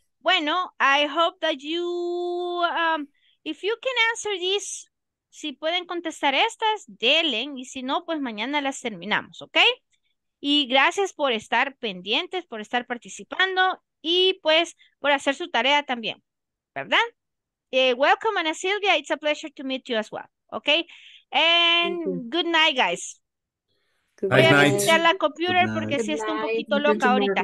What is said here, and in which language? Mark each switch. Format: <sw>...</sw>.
<es>Bueno,</es> <en>I hope that you, if you can answer this,</en> <es>si pueden contestar estas, delen, y si no, pues mañana las terminamos, ¿ok? Y gracias por estar pendientes, por estar participando, y pues, por hacer su tarea también, ¿verdad?</es> <en>Welcome, Ana Silvia, it's a pleasure to meet you as well, ¿ok? And good night, guys.</en> <es>Voy a quitar la computer porque sí está un poquito loca ahorita.</es>